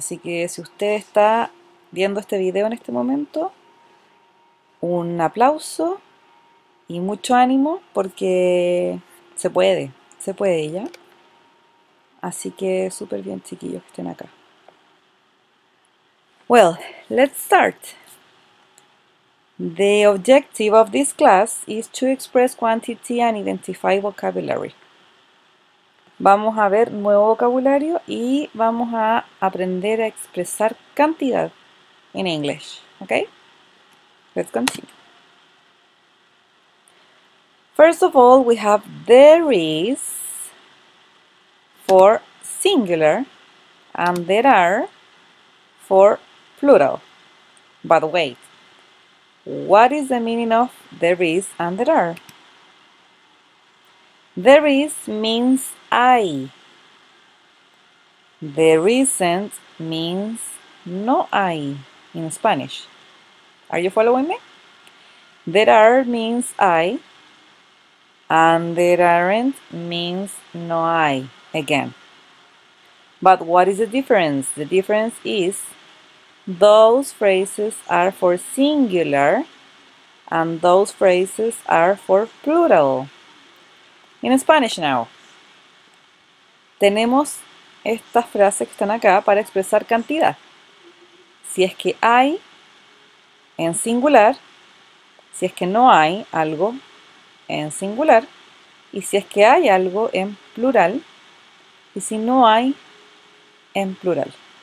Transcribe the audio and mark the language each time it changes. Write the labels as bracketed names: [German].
[Spanish] Así que si usted está viendo este video en este momento, un aplauso y mucho ánimo porque se puede ya. Así que súper bien, chiquillos, que estén acá. [English] Well, let's start. The objective of this class is to express quantity and identify vocabulary. [Spanish] Vamos a ver nuevo vocabulario y vamos a aprender a expresar cantidad en English. [English] Okay? Let's continue. First of all, we have there is for singular and there are for plural. But wait, what is the meaning of there is and there are? There is means I. There isn't means no I in Spanish. Are you following me? There are means I and there aren't means no I again. But what is the difference? The difference is those phrases are for singular and those phrases are for plural. In Spanish now. [Spanish] Tenemos estas frases que están acá para expresar cantidad. Si es que hay en singular, si es que no hay algo en singular y si es que hay algo en plural y si no hay en plural.